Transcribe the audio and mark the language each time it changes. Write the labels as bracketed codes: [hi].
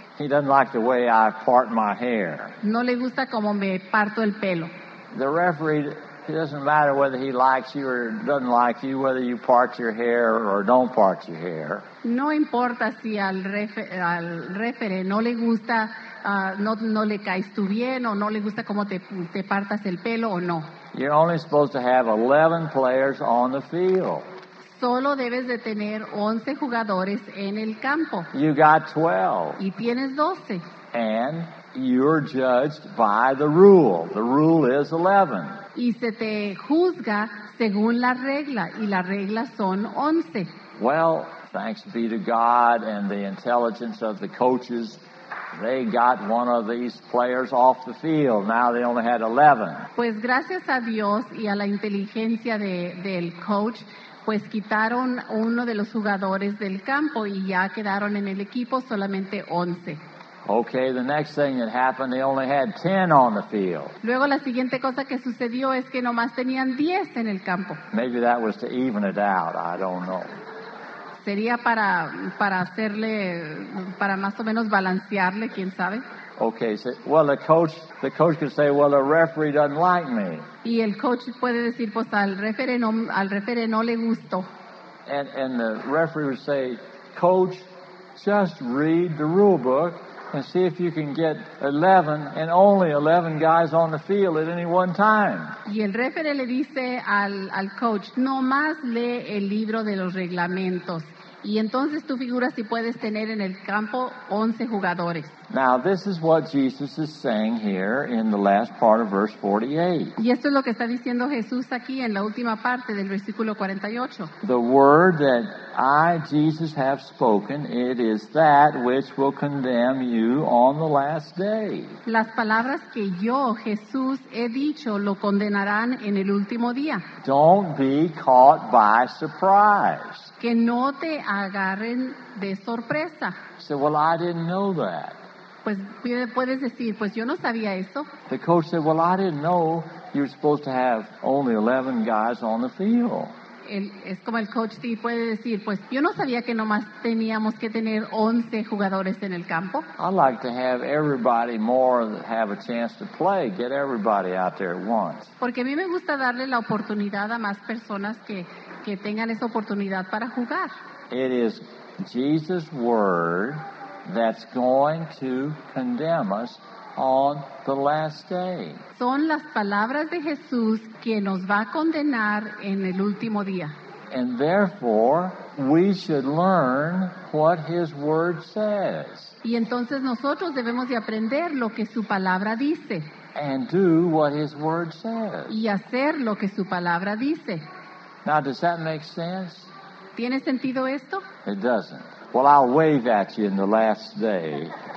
[en] He doesn't like the way I part my hair. [es] No le gusta como me parto el pelo. [en] The referee, it doesn't matter whether he likes you or doesn't like you, whether you part your hair or don't part your hair. [es] No importa si al referee no le gusta, no le caes tú bien o no le gusta cómo te partas el pelo o no. [en] You're only supposed to have 11 players on the field. [es] Solo debes de tener 11 jugadores en el campo. [en] You got 12. [es] Y tienes 12. [en] And you're judged by the rule. The rule is 11. [es] Y se te juzga según la regla, y la regla son 11. [en] Well, thanks be to God and the intelligence of the coaches. They got one of these players off the field. Now they only had 11. [es] Pues gracias a Dios y a la inteligencia del coach, pues quitaron uno de los jugadores del campo y ya quedaron en el equipo solamente 11. [en] Okay, the next thing that happened, they only had 10 on the field. [es] Luego la siguiente cosa que sucedió es que nomás tenían 10 en el campo. [en] Maybe that was to even it out, I don't know. [es] Sería para hacerle, para más o menos balancearle, quién sabe. [en] Okay, so, well, the coach could say, well, the referee doesn't like me. [es] Y el coach puede decir, pues al referee no le gustó. [en] And the referee would say, coach, just read the rule book and see if you can get 11 and only 11 guys on the field at any one time. [es] Y el referee le dice al coach, no más lee el libro de los reglamentos. Y entonces tú figuras si puedes tener en el campo 11 jugadores. [en] Now this is what Jesus is saying here in the last part of verse 48. [es] Y esto es lo que está diciendo Jesús aquí en la última parte del versículo 48. [en] The word that I, Jesus, have spoken, it is that which will condemn you on the last day. [es] Las palabras que yo, Jesús, he dicho lo condenarán en el último día. [en] Don't be caught by surprise. [es] Que no te agarren de sorpresa. [en] So, well, I didn't know that. [es] Pues puedes decir, pues yo no sabía eso. [en] The coach said, well, I didn't know you were supposed to have only 11 guys on the field. [es] Es como el coach te puede decir, pues yo no sabía que nomás teníamos que tener 11 jugadores en el campo. [en] I'd like to have everybody more have a chance to play, get everybody out there at once. [es] Porque a mí me gusta darle la oportunidad a más personas que tengan esa oportunidad para jugar. [en] It is Jesus' word that's going to condemn us on the last day. [es] Son las palabras de Jesús que nos va a condenar en el último día. [en] And therefore, we should learn what his word says. [es] Y entonces nosotros debemos de aprender lo que su palabra dice. [en] And do what his word says. [es] Y hacer lo que su palabra dice. [en] Now, does that make sense? [es] ¿Tiene sentido esto? [en] It doesn't. Well, I'll wave at you in the last day.